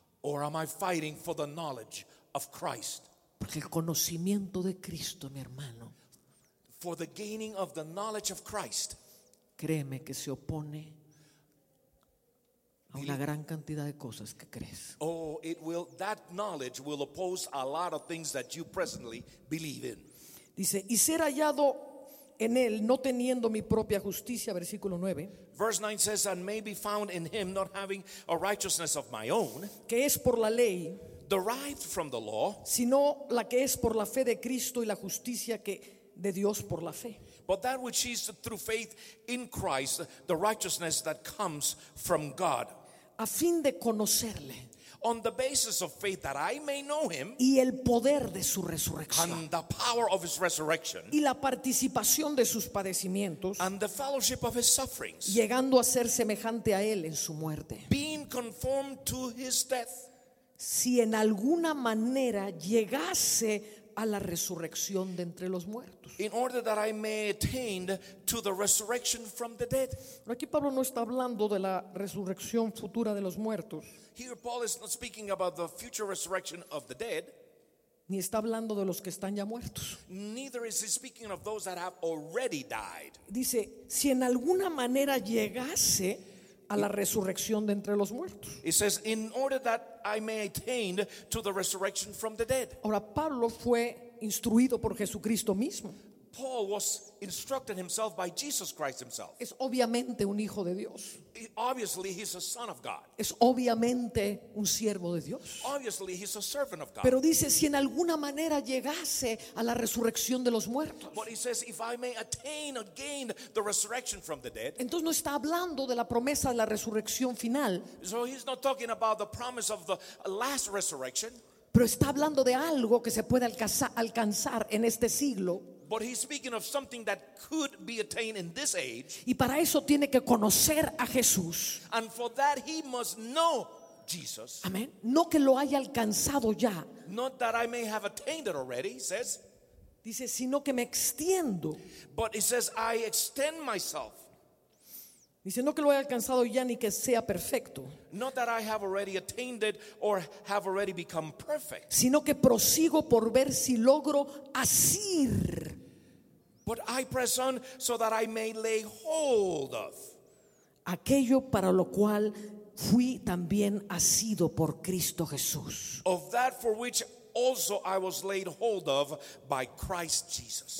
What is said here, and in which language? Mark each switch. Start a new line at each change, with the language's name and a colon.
English: Or am I fighting for the knowledge of Christ?
Spanish: Porque el conocimiento de Cristo, mi hermano.
English: For the gaining of the knowledge of Christ.
Spanish: Créeme que se opone a una gran cantidad de cosas que crees.
English: Oh, it will, that knowledge will oppose a lot of things that you presently believe in.
Spanish: Dice, y ser hallado en él, no teniendo mi propia justicia, versículo 9.
English: Verse 9 says, and may be found in him, not having a righteousness of my own,
Spanish: que es por la ley,
English: derived from the law,
Spanish: sino la que es por la fe de Cristo y la justicia que de Dios por la fe.
English: But that which is through faith in Christ, the righteousness that comes from God.
Spanish: A fin de conocerle.
English: On the basis of faith that I may know him.
Spanish: Y el poder de su resurrección.
English: And the power of his resurrection.
Spanish: Y la participación de sus padecimientos.
English: And the fellowship of his sufferings.
Spanish: Llegando a ser semejante a él en su muerte.
English: Being conformed to his death.
Spanish: Si en alguna manera llegase a la resurrección de entre los muertos.
English: In order that I may attain to the resurrection from the dead.
Spanish: Pero aquí Pablo no está hablando de la resurrección futura de los muertos.
English: Here Paul is not speaking about the future resurrection of the dead.
Spanish: Ni está hablando de los que están ya muertos.
English: Neither is he speaking of those that have already died.
Spanish: Dice, si en alguna manera llegase a la resurrección de entre los muertos.
English: It says, in order that I may attain to the resurrection from the dead.
Spanish: Ahora Pablo fue instruido por Jesucristo mismo.
English: Paul was instructed himself by Jesus Christ himself.
Spanish: Es obviamente un hijo de Dios.
English: Obviously he's a son of God.
Spanish: Es obviamente un siervo de Dios.
English: Obviously he's a servant of God.
Spanish: Pero dice, si en alguna manera llegase a la resurrección de los muertos.
English: But he says, if I may attain or gain the resurrection from the dead.
Spanish: Entonces no está hablando de la promesa de la resurrección final.
English: So he's not talking about the promise of the last resurrection.
Spanish: Pero está hablando de algo que se puede alcanzar en este siglo.
English: But he's speaking of something that could be attained in this age.
Spanish: Y para eso tiene que conocer a Jesús.
English: And for that he must know Jesus.
Spanish: Amen. No que lo haya alcanzado ya.
English: Not that I may have attained it already, he says.
Spanish: Dice, sino que me extiendo.
English: But he says, I extend myself.
Spanish: Dice, no que lo haya alcanzado ya ni que sea perfecto.
English: Not that I have already attained it or have already become perfect.
Spanish: Sino que prosigo por ver si logro asir.
English: But I press on so that I may lay hold of.
Spanish: Aquello para lo cual fui también asido por Cristo Jesús.
English: Of that for which also I was laid hold of by Christ Jesus.